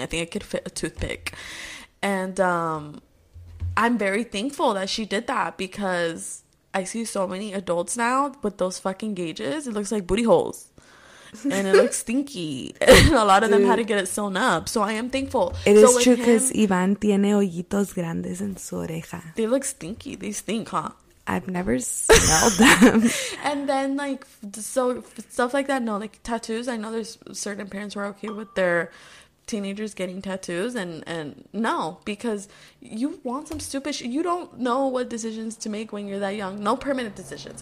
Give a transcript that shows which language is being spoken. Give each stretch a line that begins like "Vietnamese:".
English: I think I could fit a toothpick. And I'm very thankful that she did that because I see so many adults now with those fucking gauges. It looks like booty holes. And it looks stinky. A lot of them had to get it sewn up. So I am thankful. It so is true because
Spanish: Iván tiene hoyitos grandes en su oreja.
English: They look stinky. They stink, huh? I've never smelled them. And then, like, so stuff like that. No, like, tattoos. I know there's certain parents who are okay with their teenagers getting tattoos. And no, because you want some stupid shit. You don't know what decisions to make when you're that young. No permanent decisions.